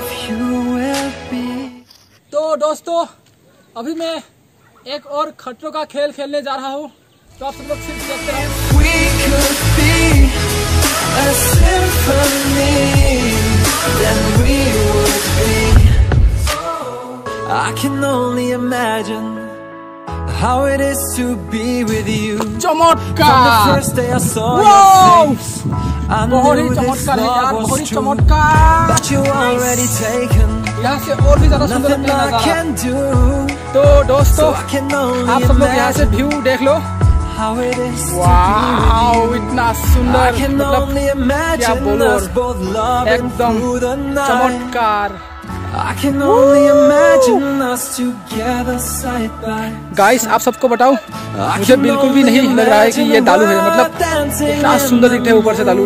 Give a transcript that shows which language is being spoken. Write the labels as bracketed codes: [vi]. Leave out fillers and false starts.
[hi] दोस्तों अभी मैं एक और खतरों का खेल खेलने जा रहा हूँ, तो आप सब लोग सिर्फ देखते रहिए। [en] How it is to be with you. [hi] चमत्कार। [en] From the first day I saw your face, I knew this love was true. But you already taken. [hi] यहाँ से और भी ज़्यादा सुंदर लगने लगा। तो दोस्तों, आप सब लोग यहाँ से व्यू देख लो। वाओ, इतना सुंदर, मतलब क्या बोलो, एकदम चमत्कार। [en] I can only imagine us together side by side. [hi] Guys, आप सबको बताओ, मुझे बिल्कुल भी नहीं लग रहा है कि ये डालू है, मतलब इतना सुंदर दिखते हैं ऊपर से डालू।